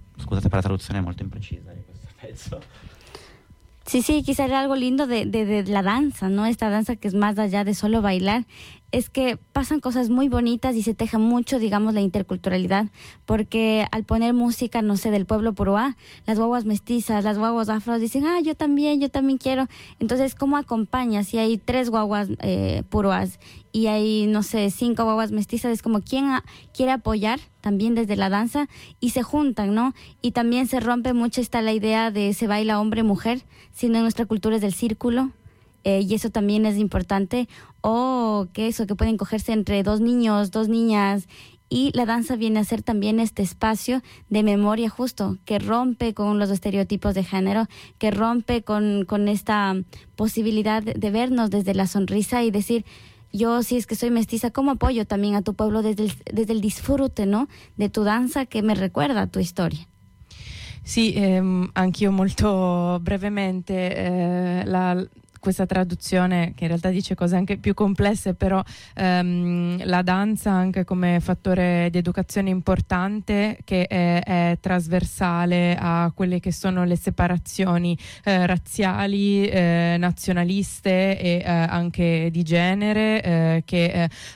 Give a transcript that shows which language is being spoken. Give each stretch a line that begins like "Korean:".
Italian: Scusate per la traduzione molto imprecisa.
Spanish: Sí, sí, quizá era algo lindo de la danza, ¿no? Esta danza que es más allá de solo bailar, es que pasan cosas muy bonitas y se teja mucho, digamos, la interculturalidad, porque al poner música, no sé, del pueblo puruá, las guaguas mestizas, las guaguas afros dicen, ah, yo también quiero. Entonces, ¿cómo acompañas? Si hay tres guaguas puruás y hay, no sé, cinco guaguas mestizas, es como, ¿quién quiere apoyar también desde la danza? Y se juntan, ¿no? Y también se rompe mucho esta la idea de se baila hombre-mujer, sino en nuestra cultura es del círculo. Y eso también es importante. Que pueden cogerse entre dos niños, dos niñas. Y la danza viene a ser también este espacio de memoria justo, que rompe con los estereotipos de género, que rompe con esta posibilidad de vernos desde la sonrisa y decir, yo si es que soy mestiza, ¿cómo apoyo también a tu pueblo desde el disfrute, ¿no? De tu danza que me recuerda a tu historia.
Italian: Sí, anch'io molto brevemente, questa traduzione che in realtà dice cose anche più complesse, però la danza anche come fattore di educazione importante che è trasversale a quelle che sono le separazioni razziali, nazionaliste e anche di genere, che